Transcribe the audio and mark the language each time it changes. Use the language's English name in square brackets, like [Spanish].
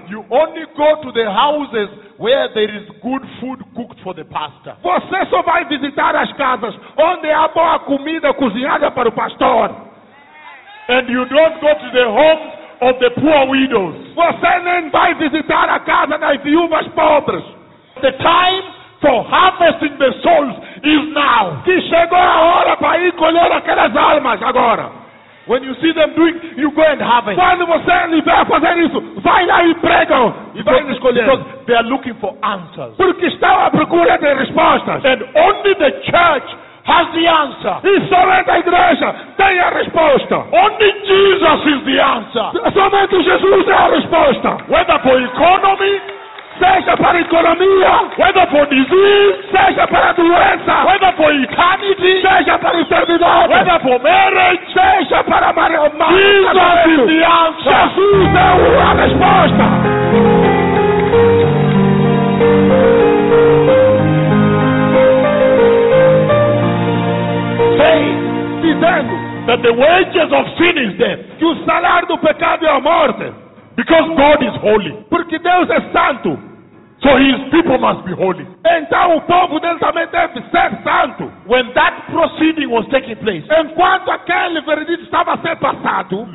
[English] You only go to the houses where there is good food cooked for the pastor. [Portuguese] Você só vai visitar as casas onde há boa comida cozinhada para o pastor. [English] And you don't go to the homes of the poor widows. [Portuguese] Você nem vai visitar a casa das viúvas pobres. [English] The time for harvesting the souls is now. [Portuguese] Que chegou a hora para ir colher aquelas almas agora. [English] When you see them doing, you go and harvest. [Portuguese] Quando você estiver fazendo isso, vai lá e prega. [English] Because they are looking for answers. [Portuguese] Porque estão à procura de respostas. [English] And only the church has the answer. [Portuguese] E somente a igreja tem a resposta. [English] Only Jesus is the answer. [Portuguese] Somente Jesus é a resposta. [English] Whether for economy, [Portuguese] seja para a economia, [English] whether for disease, [Portuguese] seja para a doença, [English] whether for eternity, [Portuguese] seja para a eternidade, [English] whether for marriage, [Portuguese] seja para a maternidade, Jesus é a resposta. Vem dizendo [English] that the wages of sin is death. [Portuguese] Que o salário do pecado é a morte. [English] Because God is holy. [Portuguese] Porque Deus é santo. [English] So his people must be holy. [Portuguese] Então o povo dele também deve ser santo. [English] When that proceeding was taking place, [Portuguese] enquanto aquele veredito estava sendo passado,